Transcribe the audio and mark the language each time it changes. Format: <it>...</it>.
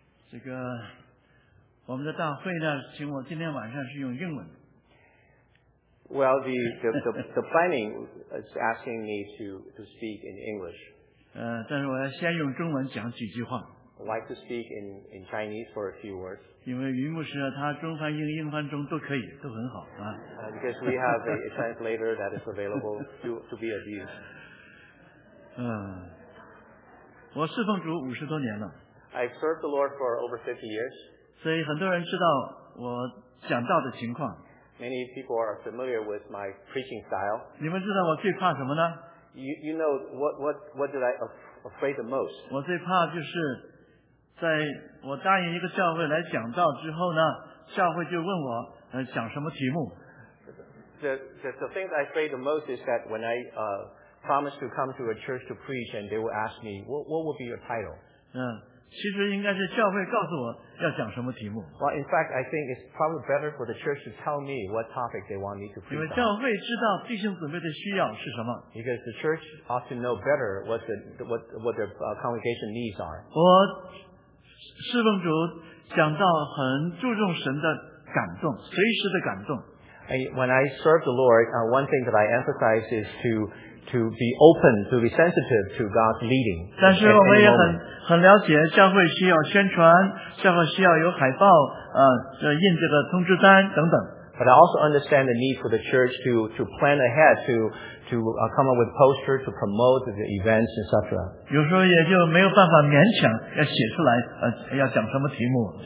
<zh>这个我们的大会呢，请我今天晚上是用英文。</zh> <en>Well, the planning is asking me to speak in English.</en> <zh>但是我要先用中文讲几句话。</zh> <en>I'd like to speak in Chinese for a few words.</en> <zh>因为云牧师啊，他中翻英，英翻中都可以，都很好啊。</zh> <en>Because we have a translator that is available to be abused.</en> <zh>我侍奉主五十多年了。</zh> <en>I've served the Lord for over 50 years.</en> <zh>所以很多人知道我讲道的情况。</zh> <en>Many people are familiar with my preaching style.</en> <zh>你们知道我最怕什么呢？</zh> <en>You know what did I afraid the most?</en> <zh>我最怕就是在我答应一个教会来讲道之后呢，教会就问我讲什么题目。</zh> <en>The thing that I afraid the most is that when I promise to come to a church to preach and they will ask me what will be your title?</en> <zh>其实应该是教会告诉我要讲什么题目。</zh> <en>Well, in fact, I think it's probably better for the church to tell me what topic they want me to preach.</en> <zh>因为教会知道弟兄姊妹的需要是什么。</zh> <en>Because the church ought to know better what their congregation needs are.</en> <zh>我侍奉主讲到很注重神的感动，随时的感动。</zh> <en>When I serve the Lord, one thing that I emphasize is to be open, to be sensitive to God's leading.</en> <zh>但是我们也很了解教会需要宣传，教会需要有海报，印这个通知单等等。</zh> <en>But I also understand the need for the church to plan ahead, to come up with posters to promote the events, etc.</en> <zh>有时候也就没有办法勉强要写出来，要讲什么题目。</zh>